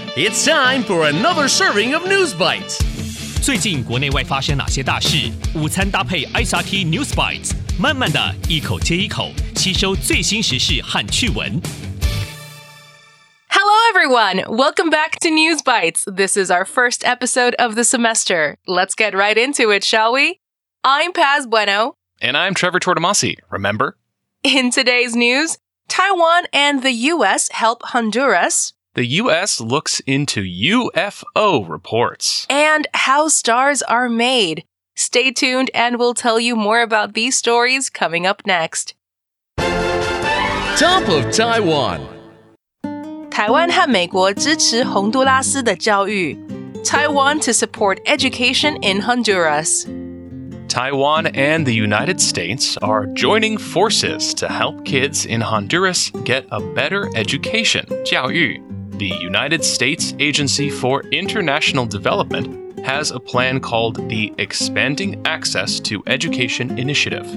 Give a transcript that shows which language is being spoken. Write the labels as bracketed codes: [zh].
[en] It's time for another serving of News Bites. [zh] 最近国内外发生哪些大事？午餐搭配 SRT News Bites， 慢慢的一口接一口，吸收最新时事和趣闻。 [en] Hello, everyone. Welcome back to News Bites. This is our first episode of the semester. Let's get right into it, shall we? I'm Paz Bueno. And I'm Trevor Tortomasi. Remember? In today's news, Taiwan and the U.S. help Honduras. The U.S. looks into UFO reports. And how stars are made. Stay tuned and we'll tell you more about these stories coming up next. Top of Taiwan. [zh] 台湾和美国支持洪都拉斯的教育。 [en] Taiwan to support education in Honduras. Taiwan and the United States are joining forces to help kids in Honduras get a better education, [zh] 教育. [en] The United States Agency for International Development has a plan called the Expanding Access to Education Initiative,